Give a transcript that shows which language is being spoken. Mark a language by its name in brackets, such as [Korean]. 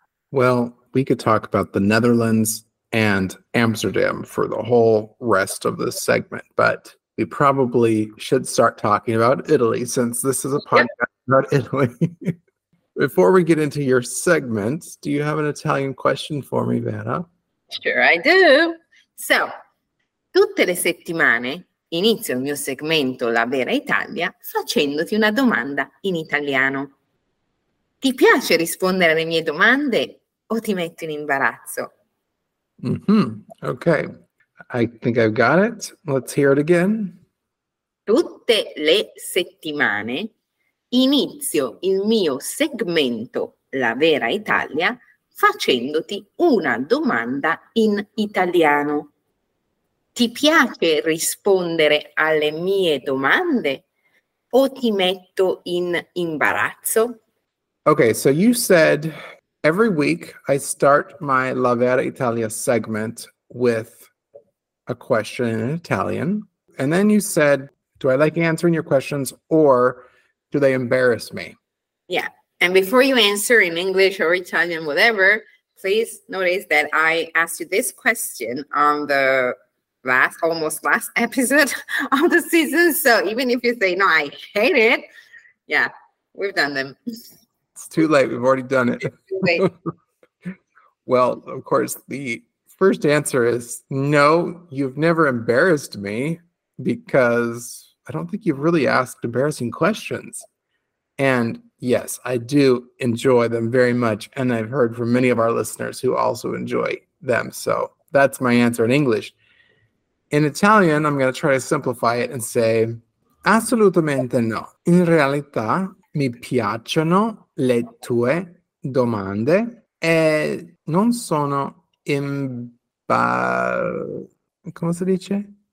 [English] Well, we could talk about the Netherlands and Amsterdam for the whole rest of this segment, but we probably should start talking about Italy since this is a podcast about Italy. Before we get into your segment, do you have an Italian question for me, Vera? Sure, I do. [Italian] So, tutte le settimane inizio il mio segmento La Vera Italia facendoti una domanda in italiano. Ti piace rispondere alle mie domande o ti metto in imbarazzo? [English] Mm-hmm. Okay, I think I've got it. Let's hear it again. [Italian] Tutte le settimane inizio il mio segmento La Vera Italia facendoti una domanda in italiano. Ti piace rispondere alle mie domande o ti metto in imbarazzo? [English] Okay, so you said every week I start my La Vera Italia segment with a question in Italian. And then you said, do I like answering your questions or do they embarrass me? Yeah, and before you answer in English or Italian, whatever, please notice that I asked you this question on the almost last episode of the season. So even if you say, no, I hate it. Yeah, we've done them. It's too late. We've already done it. Well, of course, the first answer is no, you've never embarrassed me because I don't think you've really asked embarrassing questions. And yes, I do enjoy them very much. And I've heard from many of our listeners who also enjoy them. So that's my answer in English. In Italian, I'm going to try to simplify it and say, [Italian] assolutamente no. In realtà, mi piacciono le tue domande e non sono come si dice?